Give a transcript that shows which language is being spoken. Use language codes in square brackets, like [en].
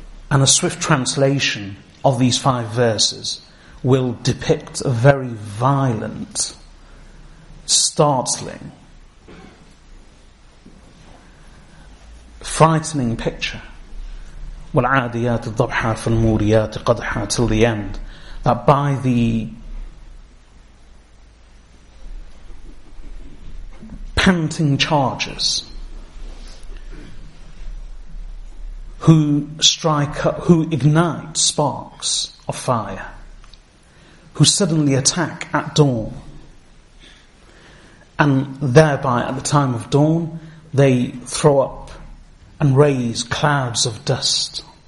[en] And a swift translation of these five verses will depict a very violent, startling, frightening picture. [ar] وَالْعَادِيَاتِ الضَّبْحَا فَالْمُورِيَاتِ قَدْحَا [en] till the end. That by the panting chargers who strike up, who ignite sparks of fire, who suddenly attack at dawn, and thereby at the time of dawn they throw up and raise clouds of dust.